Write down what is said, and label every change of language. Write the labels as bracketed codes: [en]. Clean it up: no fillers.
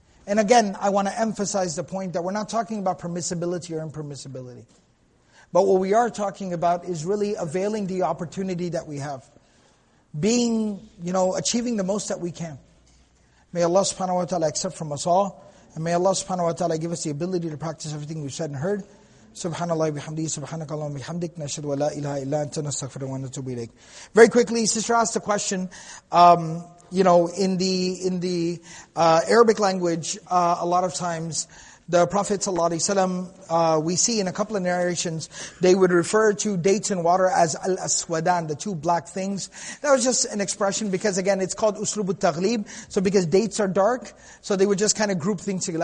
[en] And again, I want to emphasize the point that we're not talking about permissibility or impermissibility. But what we are talking about is really availing the opportunity that we have. Being, you know, achieving the most that we can. May Allah subhanahu wa ta'ala accept from us all. And may Allah subhanahu wa ta'ala give us the ability to practice everything we've said and heard. [ar] سبحان الله بحمده سبحانك اللهم بحمدك نشهد ولا إله إلا أنت نستغفر ونتوب إليك. [en] Very quickly, sister asked a question. You know, in the Arabic language, a lot of times the Prophet sallallahu alaihi wasallam, we see in a couple of narrations they would refer to dates and water as al aswadan, the two black things. That was just an expression because again it's called uslub al taghlib. So because dates are dark, so they would just kind of group things together.